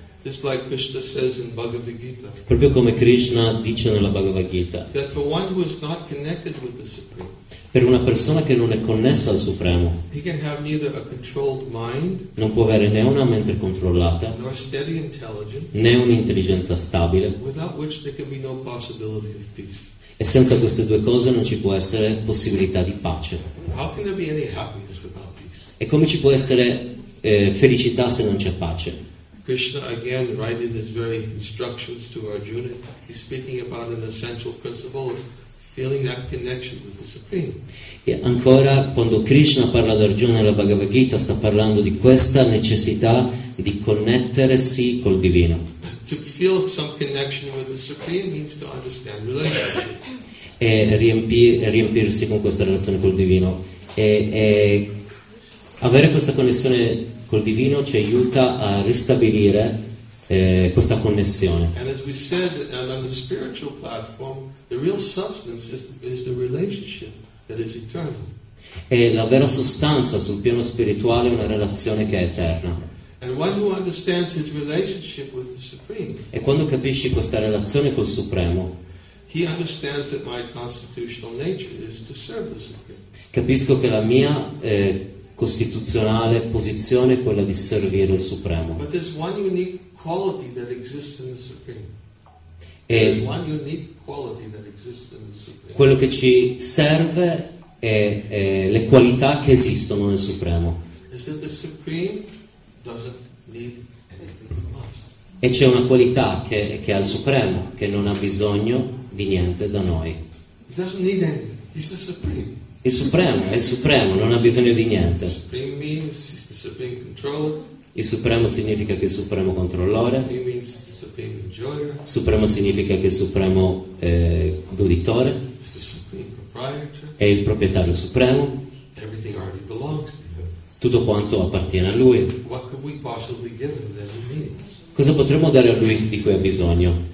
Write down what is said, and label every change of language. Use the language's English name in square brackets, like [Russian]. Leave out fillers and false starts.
[English] Just like Krishna says in Bhagavad Gita, [Italian] proprio come Krishna dice nella Bhagavad Gita, [English] that for one who is not connected with the Supreme, [Italian] per una persona che non è connessa al Supremo, [English] he can have neither a controlled mind, [Italian] non può avere né una mente controllata, [English] nor steady intelligence, [Italian] né un'intelligenza stabile, [English] without which there can be no possibility of peace. [Italian] E senza queste due cose non ci può essere possibilità di pace. [English] How can there be any happiness without peace? [Italian] E come ci può essere felicità se non c'è pace? [English] Krishna, again, writing his very instructions to Arjuna, he's speaking about an essential principle of feeling that connection with the Supreme. [Italian] E ancora, quando Krishna parla ad Arjuna nella Bhagavad Gita, sta parlando di questa necessità di connettersi col Divino. [English] To feel some connection with the Supreme means to understand relationship. [Italian] E riempirsi con questa relazione col Divino. E Avere questa connessione col divino ci aiuta a ristabilire questa connessione. [English] And as we said, on the spiritual platform, the real substance is the relationship that is eternal. [Italian] E la vera sostanza sul piano spirituale è una relazione che è eterna. [English] And one who understands his relationship with the Supreme, [Italian] e quando capisci questa relazione col Supremo, [English] he understands that my constitutional nature is to serve the Supreme. [Italian] Capisco che la mia costituzionale posizione è quella di servire il Supremo. [English] But there's one unique quality that exists in the Supreme. There's one unique quality that exists in the Supreme. [Italian] Quello che ci serve è le qualità che esistono nel Supremo. [English] Is that the Supreme doesn't need anything from us. [Italian] E c'è una qualità che ha il Supremo, che non ha bisogno di niente da noi. [English] He doesn't need anything. He's the Supreme. [Italian] È il Supremo, non ha bisogno di niente. [English] Supreme means he's the Supreme Controller. [Italian] Il Supremo significa che è il Supremo Controllore. [English] Supreme means the Supreme Enjoyer. [Italian] Supremo significa che è il Supremo Goditore. [English] He's the Supreme Proprietor. [Italian] È il proprietario Supremo. [English] Everything already belongs to him. [Italian] Tutto quanto appartiene a lui. [English] What could we possibly give him that he needs? [Italian] Cosa potremmo dare a lui di cui ha bisogno?